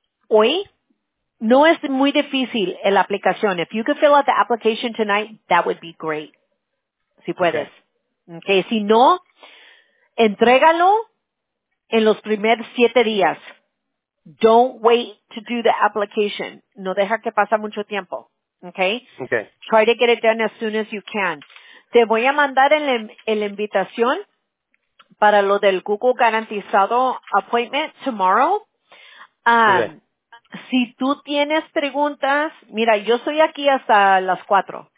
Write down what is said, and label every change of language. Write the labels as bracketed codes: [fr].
[es] Hoy, no es muy difícil en la aplicación. [en] If you could fill out the application tonight, that would be great. [es] Si puedes. Okay. Si no, entrégalo en los primeros 7 días. [en] Don't wait to do the application. [es] No deja que pase mucho tiempo. [en] Okay. Okay. Try to get it done as soon as you can. [es] Te voy a mandar la invitación para lo del Google Garantizado [en] appointment tomorrow. Okay. [es] Si tú tienes preguntas, mira, yo estoy aquí hasta las 4.